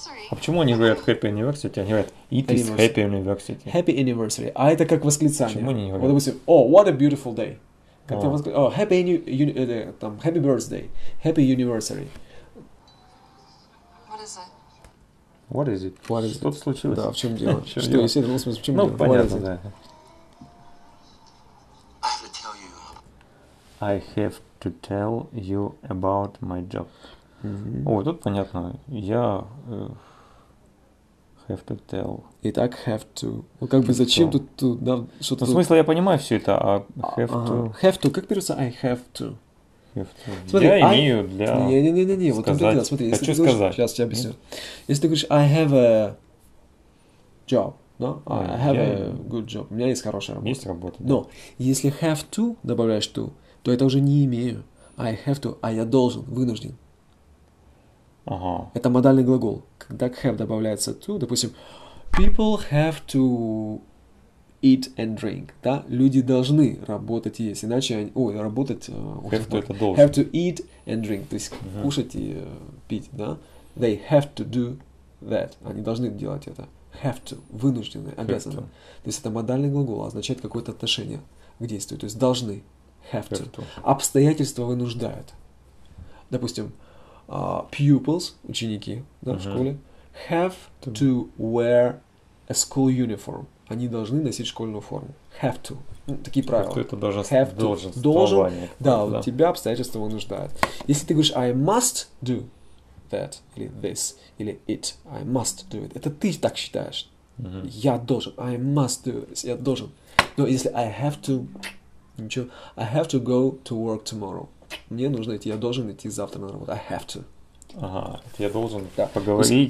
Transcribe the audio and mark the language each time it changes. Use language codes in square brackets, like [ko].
[ru] А почему они говорят happy anniversary, а они говорят [en] it is happy anniversary? [ru] Happy anniversary. А это как восклицание. Почему они не говорят? Вот, допустим, [en] oh, what a beautiful day. Как ты воскли... Oh, happy, там, happy birthday. Happy anniversary. What is it? What is it? [ru] Что-то случилось. Да, в чем дело? Что, если это был смысл, в чем дело? Ну, понятно, да. [en] I have to tell you about my job. Mm-hmm. [ru] О, тут понятно. Я [en] have to tell. [ru] Итак, have to. Ну, как бы зачем тут, тут, да, что-то... Ну, в смысле, я понимаю все это, а have to... [en] Have to. [ru] Как берется [en] I have to? [ru] Have to. Смотри, я имею для... Не-не-не-не-не. Вот там ты, да, смотри. Хочу сказать. Говоришь, сейчас тебе объясню. Mm-hmm. Если ты говоришь [en] I have a job, [ru] да? [en] I have a good job. [ru] У меня есть хорошая работа. Есть работа, да. Но если have to добавляешь to, то это уже не имею. [en] I have to, [ru] а я должен, вынужден. Ага. Это модальный глагол. Когда к have добавляется to, допустим, [en] people have to eat and drink. [ru] Да? Люди должны работать и есть. Иначе они... Ой, работать... Have to, это должен. Have to eat and drink. То есть кушать и пить. Да? [en] They have to do that. [ru] Они должны делать это. [en] Have to. [ru] Вынуждены. Обязаны. То есть это модальный глагол. Означает какое-то отношение к действию. То есть должны. Have to. Обстоятельства вынуждают. [en] Допустим, pupils, [ru] ученики, да, в школе, [en] have to wear a school uniform. [ru] Они должны носить школьную форму. [en] Have to. [ru] Ну, такие правила. [en] Have to, [ru] это должен, [en] have to. [ru] Должен. Да, да, у тебя обстоятельства вынуждают. Если ты говоришь [en] I must do that, или this, или it, I must do it. [ru] Это ты так считаешь. Я должен. [en] I must do this. [ru] Я должен. Но если I have to, ничего. [en] I have to go to work tomorrow. [ru] Мне нужно идти, я должен идти завтра на работу. [en] I have to. [ru] Ага, это я должен поговорить.